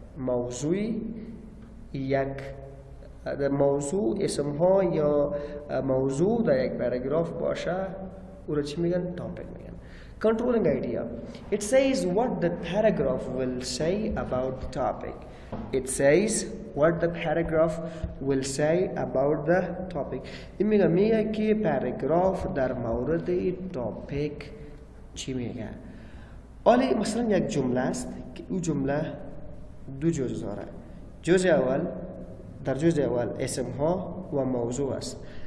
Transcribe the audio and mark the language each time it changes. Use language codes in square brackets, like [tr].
[fa] موضوعی یک موضوع اسم ها یا موضوع در یک پاراگراف باشه اورا چی میگن؟ تاپیک میگن. [en] Controlling idea. It says what the paragraph will say about the topic. It says what the paragraph will say about the topic. [fa] این میگن میگه که پاراگراف در مورد تاپیک چی میگه؟ اولی مثلا یک جمله است که او جمله دو جزء داره. جزء اول در جزء اول اسم ها و موضوع است.